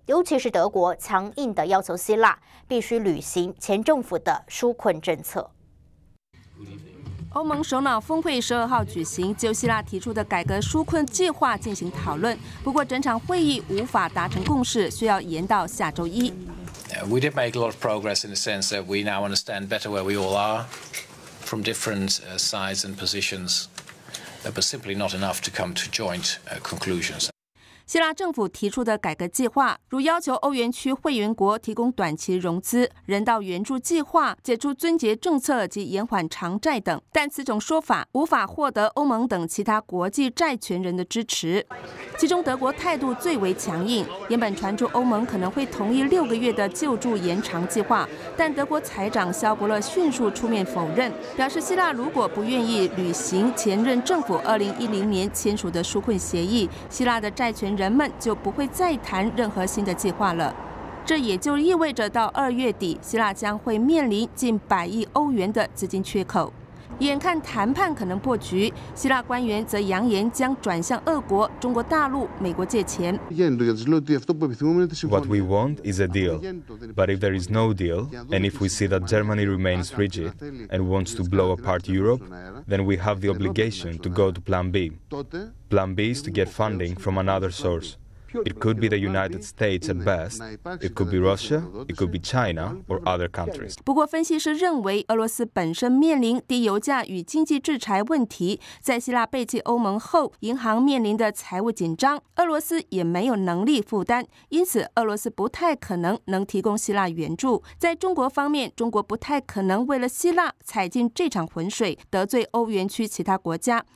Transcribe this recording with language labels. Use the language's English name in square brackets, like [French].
[Chinese] 尤其是德国强硬的要求希腊必须履行前政府的纾困政策。欧盟首脑峰会12号举行，就希腊提出的改革纾困计划进行讨论。不过，整场会议无法达成共识，需要延到下周一。 [English] We did make a lot of progress in the sense that we now understand better where we all are from different sides and positions, but simply not enough to come to joint conclusions. [Chinese] 希腊政府提出的改革计划，如要求欧元区会员国提供短期融资、人道援助计划、解除尊节政策及延缓偿债等，但此种说法无法获得欧盟等其他国际债权人的支持。其中德国态度最为强硬，原本传出欧盟可能会同意6个月的救助延长计划，但德国财长肖伯勒迅速出面否认，表示希腊如果不愿意履行前任政府2010年签署的纾困协议，希腊的债权人们就不会再谈任何新的计划了。这也就意味着到2月底，希腊将会面临近100亿欧元的资金缺口。眼看谈判可能破局，希腊官员则扬言将转向俄国、中国大陆、美国借钱。 [English] What we want is a deal, but if there is no deal, and if we see that Germany remains rigid and wants to blow apart Europe, then we have the obligation to go to Plan B. Plan B is to get funding from another source. It could be the United States at best, it could be Russia, it could be China or other countries. [Chinese] 不过分析师认为，俄罗斯本身面临低油价与经济制裁问题，在希腊背弃欧盟后，银行面临的财务紧张，俄罗斯也没有能力负担，因此俄罗斯不太可能能提供希腊援助。在中国方面，中国不太可能为了希腊踩进这场浑水，得罪欧元区其他国家。